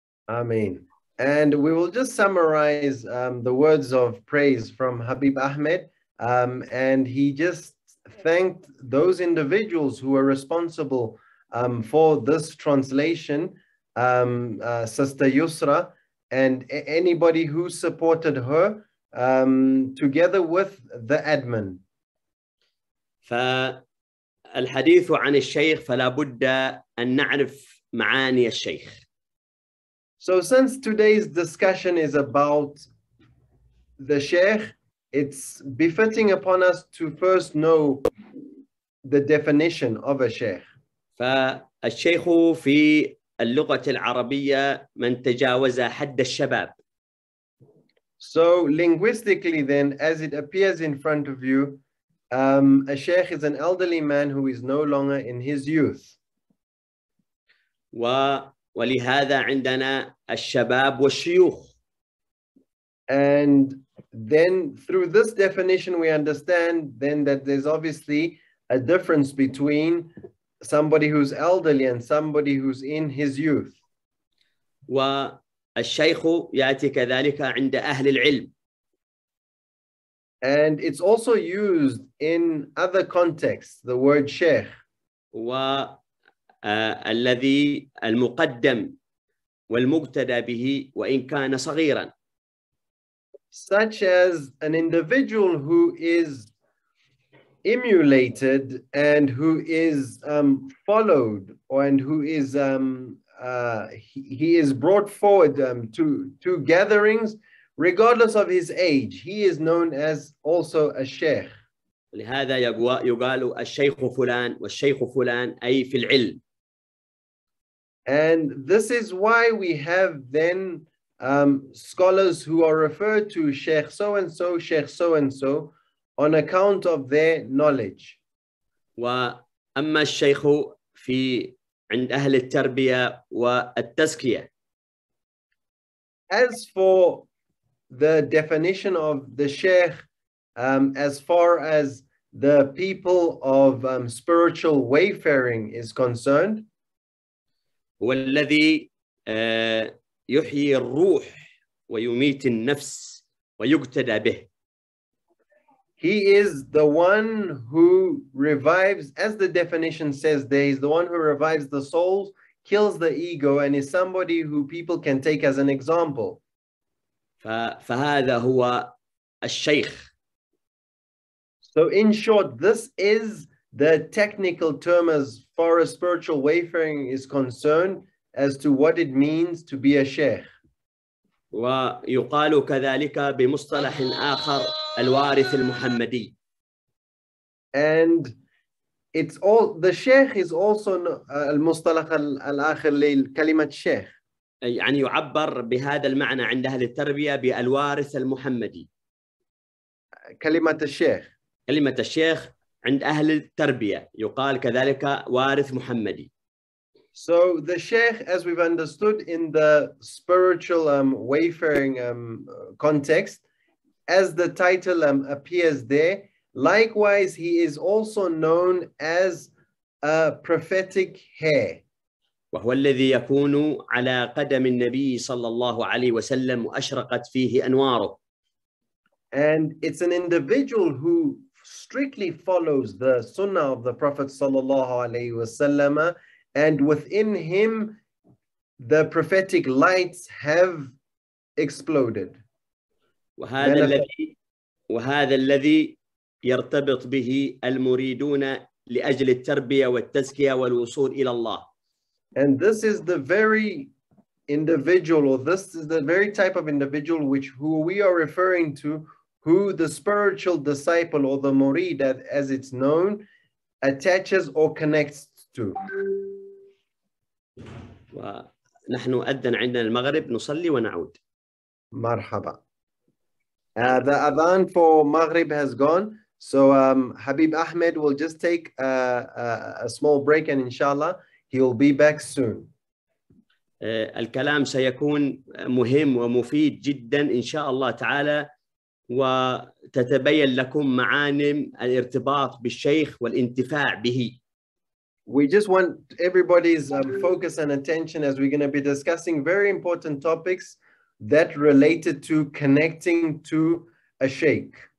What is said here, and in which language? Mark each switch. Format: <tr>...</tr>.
<ar>آمين.</ar> <en>And we will just summarize the words of praise from Habib Ahmed. And he just thanked those individuals who were responsible for this translation, Sister Yusra, and anybody who supported her, together with the admin.</en> <ar>فالحديث عن الشيخ فلا بد أن نعرف معاني الشيخ.</ar> <en>So since today's discussion is about the Sheikh, it's befitting upon us to first know the definition of a Sheikh.</en> <ar>فالشيخ في اللغة العربية من تجاوز حد الشباب.</ar> <en>So linguistically then, as it appears in front of you, a Sheikh is an elderly man who is no longer in his youth.</en> <ar>ولهذا عندنا الشباب والشيوخ.</ar> <en>And then through this definition we understand then that there's obviously a difference between somebody who's elderly and somebody who's in his youth.</en> <ar>والشيخ يأتي كذلك عند أهل العلم.</ar> <en>And it's also used in other contexts, the word Sheikh.</en> <ar>الذي المقدم والمقتدى به وإن كان صغيراً.</ar> <en>Such as an individual who is emulated and who is followed and who is he is brought forward to gatherings regardless of his age. He is known as also a Sheikh.</en> <ar>لهذا يقال الشيخ فلان والشيخ فلان أي في العلم.</ar> <en>And this is why we have then scholars who are referred to Sheikh so-and-so, Sheikh so-and-so, on account of their knowledge.</en> <ar>وأما الشيخ في عند أهل التربية والتزكية.</ar> <en>As for the definition of the Sheikh, as far as the people of spiritual wayfaring is concerned,</en> <ar>والذي يحيي الروح ويميت النفس ويقتدى به.</ar> <en>He is the one who revives, as the definition says there, he's the one who revives the souls, kills the ego, and is somebody who people can take as an example.</en> <ar>فهذا هو الشيخ.</ar> <en>So in short, this is the technical term as far as spiritual wayfaring is concerned as to what it means to be a sheikh.</en> <ar>ويقال كذلك بمصطلح آخر الوارث المحمدي.</ar> <en>And it's all the sheikh is also</en> <ar>المصطلح الآخر لكلمة الشيخ. يعني يعبر بهذا المعنى عند أهل التربية بالوارث المحمدي. كلمة الشيخ. كلمة الشيخ عند أهل التربية يقال كذلك وارث محمدي.</ar> <en>So the Sheikh, as we've understood in the spiritual wayfaring context, as the title appears there, likewise he is also known as a prophetic heir.</en> <ar>وهو الذي يكون على قدم النبي صلى الله عليه وسلم وأشرقت فيه أنواره.</ar> <en>And it's an individual who strictly follows the sunnah of the Prophet sallallahu alayhi wasallam, and within him the prophetic lights have exploded.</en> <ar>وهذا الذي يرتبط به المريدون لأجل التربية والتزكية والوصول إلى الله.</ar> <en>And this is the very individual, or this is the very type of individual which who we are referring to, who the spiritual disciple or the murid, as it's known, attaches or connects to.</en> <ar>ونحن أذن عندنا المغرب نصلي ونعود. مرحبا.</ar> <en>The Adhan for Maghrib has gone. So Habib Ahmed will just take a small break and inshallah he'll be back soon.</en> <ar>الكلام سيكون مهم ومفيد جدا إن شاء الله تعالى. وتتبين لكم معاني الارتباط بالشيخ والانتفاع به.</ar> <en>We just want everybody's focus and attention as we're going to be discussing very important topics that related to connecting to a sheikh.</en>